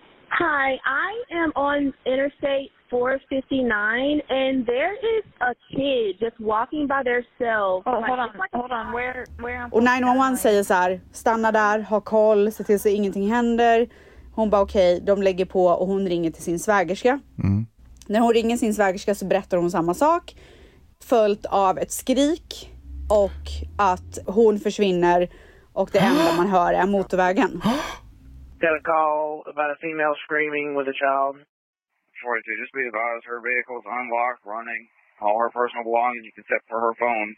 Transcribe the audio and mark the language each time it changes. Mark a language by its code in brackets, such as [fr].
[en] Hi, I am on Interstate 459 and there is a kid just walking by themselves. Oh, hold on, hold on. Where am I? [sv] Och 911 säger så här, stanna där, ha koll, se till så ingenting händer. Hon bara okej, okay, de lägger på och hon ringer till sin svägerska. Mm. När hon ringer sin svägerska så berättar hon samma sak, följt av ett skrik och att hon försvinner och det enda man hör är motorvägen. [en] Got a call about a female screaming with a child. 42, just be advised, her vehicle is unlocked, running. All her personal belongings except for her phone.